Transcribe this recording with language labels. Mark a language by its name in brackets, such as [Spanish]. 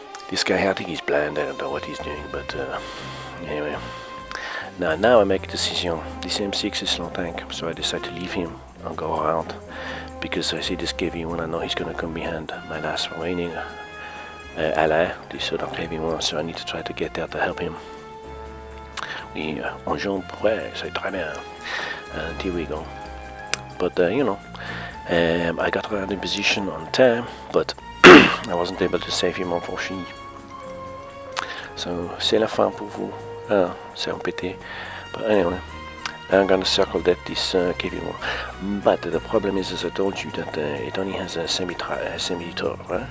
[English] This guy here, I think he's blind, I don't know what he's doing, but anyway. Now I make a decision. This M6 is a slow tank, so I decide to leave him and go around. Because I see this KV1, I know he's gonna come behind my last remaining ally, this other KV1, so I need to try to get there to help him. [French] Oui, en jambe, ouais, c'est très bien. [English] And here we go. But I got around in position on time, but I wasn't able to save him, unfortunately. So, [French] c'est la fin pour vous. Ah, c'est un pété. [English] But anyway. I'm gonna circle that this KV1. But the problem is, as I told you, that it only has a semi-tour, right?